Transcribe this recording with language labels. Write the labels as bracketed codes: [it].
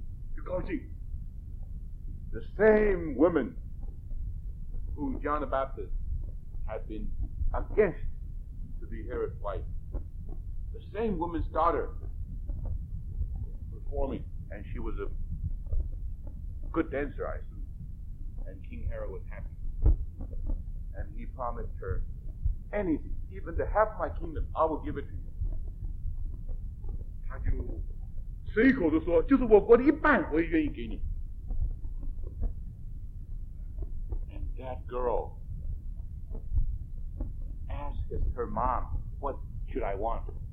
[zh] 有一天，希律宴请宴客，在群臣的面前又许了一个诺言，他看见希洛迪的女儿跳舞，就高兴。 [en] The same woman who John the Baptist had been against to be Herod's wife, the same woman's daughter performing, and she was a good dancer, I assume, and King Herod was happy. And he promised her anything, even to half my kingdom, I will give it to you. [zh] 他就随口地说，就是我国的一半，我也愿意给你。 [en] And that girl asked her mom, what should I want?